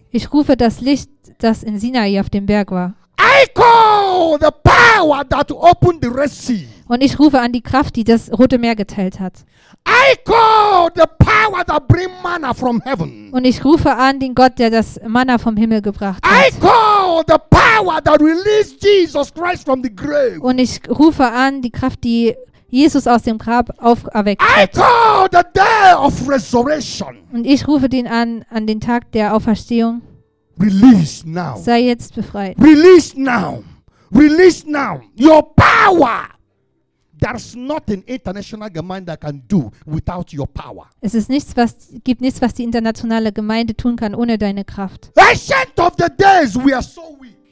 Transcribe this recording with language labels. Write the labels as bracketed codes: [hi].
[de] Ich rufe das Licht, das in Sinai auf dem Berg war. [en] I call the power that opened the Red Sea. [de] Und ich rufe an die Kraft, die das Rote Meer geteilt hat. [en] I call the power that bring manna from heaven. [de] Und ich rufe an den Gott, der das Manna vom Himmel gebracht hat. [en] I call the power that released Jesus Christ from the grave. [de] Und ich rufe an die Kraft, die Jesus aus dem Grab auferweckt hat. [en] I call the day of resurrection. [de] Und ich rufe den an den Tag der Auferstehung. [en] Release now. [de] Sei jetzt befreit. [en] Release now. Release now. Your power. There's nothing international Gemeinde can do without your power. [de] Es ist nichts, was gibt nichts, was die internationale Gemeinde tun kann ohne deine Kraft. [en] Ancient of the days, we are so weak.